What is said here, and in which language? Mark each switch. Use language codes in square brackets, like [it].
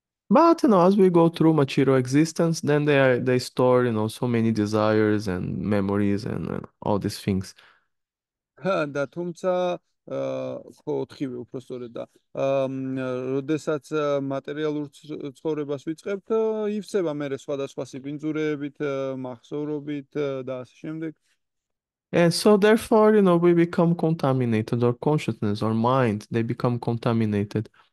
[en] But as we go through material existence, then they store, so many desires and memories and all these things. [ka] და თუმცა ხო ოთხივე უფრო სწორედ და როდესაც მატერიალურ ცხოვრებას ვიწყებთ, ივსება მერე სხვადასხვა სიბინძურეებით, მახსოვრობით და ასე შემდეგ. [en] And so therefore, we become contaminated, our consciousness, our mind, they become contaminated.